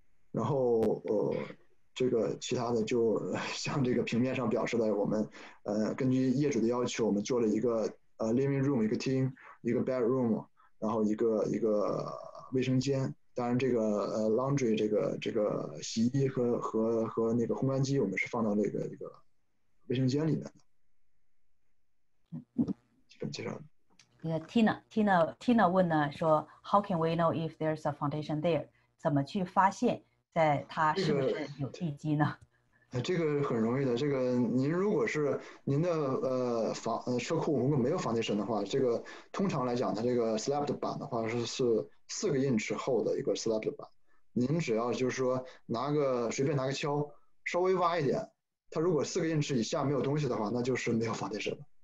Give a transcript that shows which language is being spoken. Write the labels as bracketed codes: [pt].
[zh] 然后这个其他的就像这个平面上表示的，我们根据业主的要求，我们做了一个living room 一个厅，一个 bedroom，然后一个卫生间。当然这个laundry 这个洗衣和那个烘干机，我们是放到这个卫生间里面的。基本介绍。 [en] Tina [zh] 问呢，说 [en] How can we know if there's a foundation there？ [zh] 怎么去发现，在它这是不个。是有地基呢？这个很容易的。这个您如果是您的车库如果没有 foundation 的话，这个通常来讲，它这个 slab 的板的话是4个英尺厚的一个 slab 的板。您只要就是说随便拿个锹稍微挖一点，它如果4个英尺以下没有东西的话，那就是没有 foundation 了。